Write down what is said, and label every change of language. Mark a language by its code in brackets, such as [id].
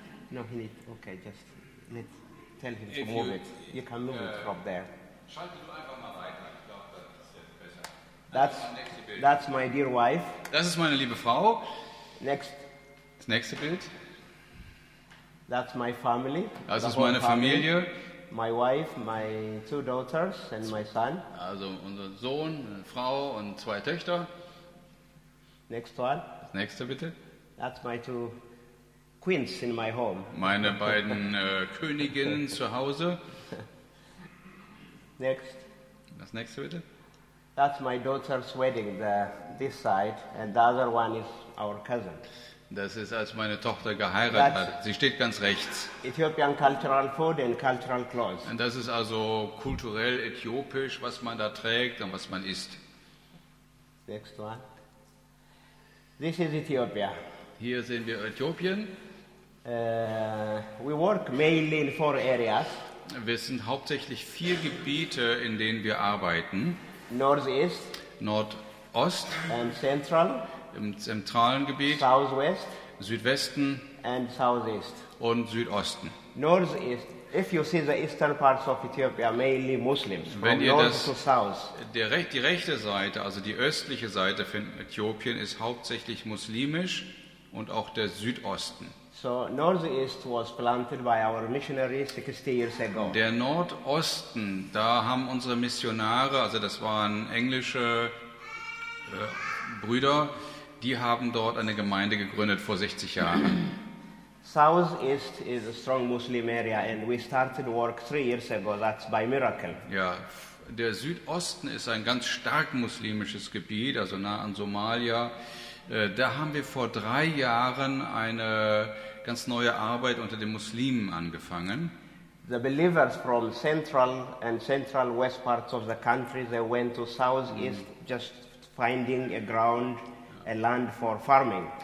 [en] No, he need, okay, just need, tell him to if move you, it. You can move it from there. [de] Schalte du einfach mal weiter. Ich glaube, das ist jetzt besser. [en] That's my dear wife. [de] Das ist meine liebe Frau. [en] Next. [de] Das nächste Bild. [en] That's my family. [de] Das ist meine Familie. [en] My wife, my two daughters and my son. [de] Also unser Sohn, eine Frau und zwei Töchter. [en] Next one. [de] Das nächste bitte. [en] That's my two queens in my home. [de] Meine beiden Königinnen zu Hause. [en] Next. [de] Das nächste bitte. [en] That's my daughter's wedding, this side, and the other one is our cousin. [de] Das ist, als meine Tochter geheiratet hat. Sie steht ganz rechts. [en] Ethiopian cultural food and cultural clothes. [de] Und das ist also kulturell äthiopisch, was man da trägt und was man isst. [en] Next one. This is Ethiopia. [de] Hier sehen wir Äthiopien. [en] We work mainly in four areas. [de] Wir sind hauptsächlich vier Gebiete, in denen wir arbeiten. [en] Northeast, [de] Nordost, [en] and central, [de] im zentralen Gebiet, [en] southwest, [de] Südwesten, [en] and southeast, [de] und Südosten. [en] Northeast, if you see the eastern parts of Ethiopia, mainly Muslims. [de] Wenn [en] from [de] ihr [en] north [de] das, [en] to south. [de] Die rechte Seite, also die östliche Seite von Äthiopien, ist hauptsächlich muslimisch und auch der Südosten. [en] So northeast was planted by our missionaries 60 years ago. [de] Der Nordosten, da haben unsere Missionare, also das waren englische Brüder, die haben dort eine Gemeinde gegründet vor 60 Jahren. [en] Southeast is a strong Muslim area and we started work 3 years ago, that's by miracle. [de] Ja, der Südosten ist ein ganz stark muslimisches Gebiet, also nah an Somalia. Da haben wir vor 3 Jahren eine ganz neue Arbeit unter den Muslimen angefangen. [en] The believers from central and central west parts of the country, they went to southeast just finding a ground, a land for farming.